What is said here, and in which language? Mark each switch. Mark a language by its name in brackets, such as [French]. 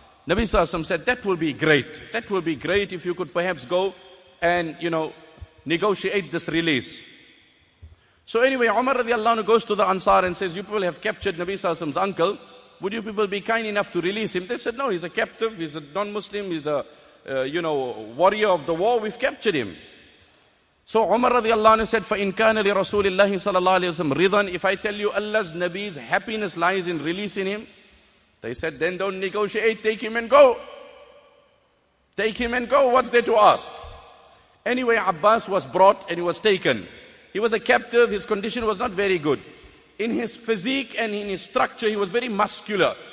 [English] Nabi sallallahu alayhi wa sallam said, that will be great. That will be great if you could perhaps go and, you know, negotiate this release. So anyway, Umar radiallahu anhu goes to the Ansar and says, you people have captured Nabi sallallahu alayhi wa sallam's uncle. Would you people be kind enough to release him? They said, no, he's a captive, he's a non-Muslim, he's a, warrior of the war, we've captured him. So Umar radiallahu anhu said, [Arabic] فَإِنْ كَانَ لِرَسُولِ اللَّهِ صَلَى اللَّهِ عَلَيْهِ وَسَلَّمَ رِضًا. [English] If I tell you Allah's Nabi's happiness lies in releasing him, they said, then don't negotiate, take him and go. Take him and go, what's there to ask? Anyway, Abbas was brought and he was taken. He was a captive, his condition was not very good. In his physique and in his structure, he was very muscular.